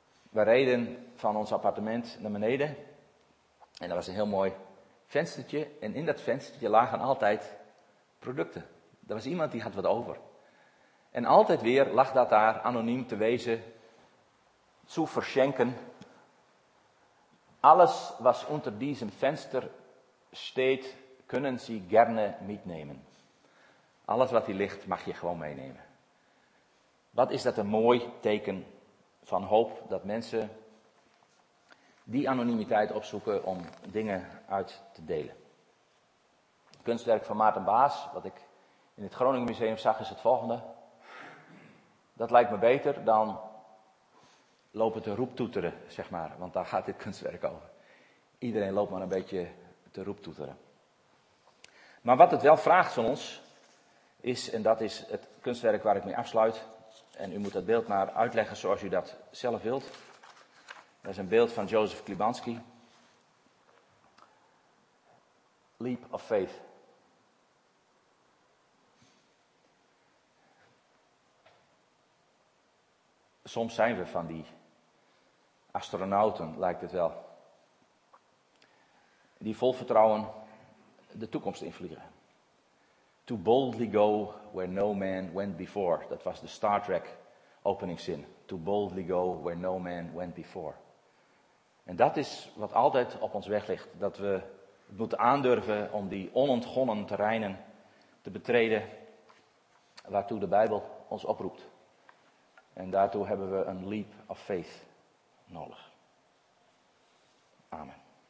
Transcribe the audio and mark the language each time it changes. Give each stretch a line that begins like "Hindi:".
Dutch: We reden van ons appartement naar beneden. En er was een heel mooi venstertje. En in dat venstertje lagen altijd producten. Er was iemand die had wat over. En altijd weer lag dat daar anoniem te wezen.
German: Zu verschenken. Alles was unter diesem Fenster steht, kunnen Sie gerne mitnehmen.
Dutch: Alles wat hier ligt, mag je gewoon meenemen. Wat is dat een mooi teken van hoop, dat mensen die anonimiteit opzoeken om dingen uit te delen. Het kunstwerk van Maarten Baas, wat ik in het Groningen Museum zag, is het volgende. Dat lijkt me beter dan lopen te roeptoeteren, zeg maar, want daar gaat dit kunstwerk over. Iedereen loopt maar een beetje te roeptoeteren. Maar wat het wel vraagt van ons is, en dat is het kunstwerk waar ik mee afsluit, en u moet dat beeld maar uitleggen zoals u dat zelf wilt. Dat is een beeld van Joseph Klibanski.
English: Leap of faith.
Dutch: Soms zijn we van die astronauten, lijkt het wel. Die vol vertrouwen de toekomst invliegen.
English: To boldly go where no man went before.
Dutch: Dat was de Star Trek openingszin.
English: To boldly go where no man went before.
Dutch: En dat is wat altijd op ons weg ligt. Dat we het moeten aandurven om die onontgonnen terreinen te betreden waartoe de Bijbel ons oproept. En daartoe hebben we een leap of faith nodig. Amen.